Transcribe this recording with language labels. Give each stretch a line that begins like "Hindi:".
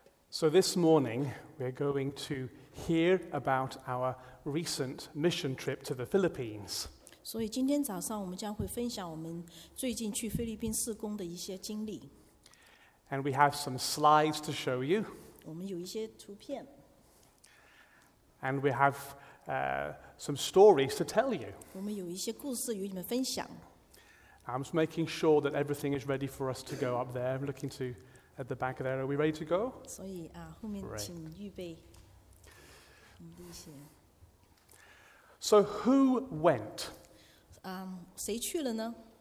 English: So this morning, we're going to hear about our recent mission trip to the Philippines.
Chinese: 所以今天早上我们将会分享我们最近去菲律宾事工的一些经历。
English: And we have some slides to show you.
Chinese: 我们有一些图片。
English: And we have some stories to tell you.
Chinese: 我们有一些故事与你们分享。
English: I'm just making sure that everything is ready for us to go up there. I'm looking to... At the back there, are we ready to go?
Chinese: So, yeah, 后面请预备一些。
English: So, who went?
Chinese: 谁去了呢？